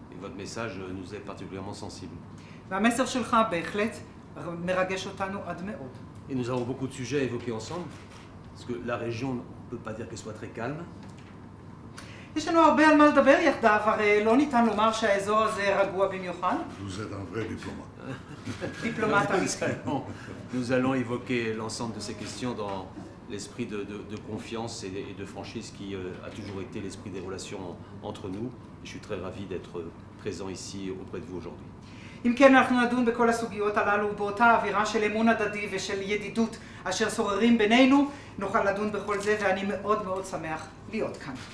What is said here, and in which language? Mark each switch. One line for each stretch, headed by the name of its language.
French: Votre message nous est particulièrement sensible.
Hebrew: והמסר שלך בהחלט מרגש אותנו עד מאוד.
French: Et nous avons beaucoup de sujets à évoquer ensemble, parce que la région ne peut pas dire qu'elle soit très calme.
Hebrew: יש לנו הרבה על מה לדבר יחדיו, הרי לא ניתן לומר שהאזור הזה רגוע במיוחד.
French: Vous êtes un vrai diplomate. Diplomate. Nous allons évoquer l'ensemble de ces questions dans l'esprit de confiance et de franchise qui a toujours été l'esprit des relations entre nous. Je suis très ravi d'être présent ici auprès de vous aujourd'hui.
Hebrew: אם כן, אנחנו נדון בכל הסוגיות הללו באותה אווירה של אמון הדדי ושל ידידות אשר שוררים בינינו. נוכל לדון בכל זה, ואני מאוד מאוד שמח להיות כאן.